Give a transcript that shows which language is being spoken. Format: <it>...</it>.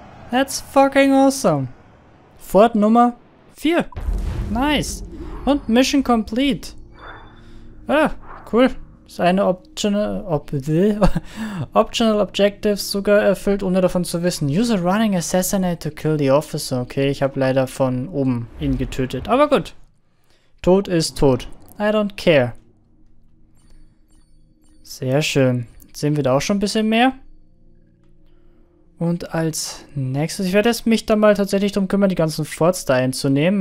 <en>That's fucking awesome. Fort</en> <de>Nummer 4.</de> <en>Nice. Und Mission complete. Ah, cool.</en> <de>ist eine optional objectives sogar erfüllt, ohne davon zu wissen.</de> <en>Use a running assassinate to kill the officer.</en> <de>Okay, ich habe leider von oben ihn getötet. Aber gut. Tod ist tot.</de> <en>I don't care.</en> <de>Sehr schön. Jetzt sehen wir da auch schon ein bisschen mehr. Und als nächstes, ich werde jetzt mich dann mal tatsächlich darum kümmern, die ganzen Forts da einzunehmen.</de>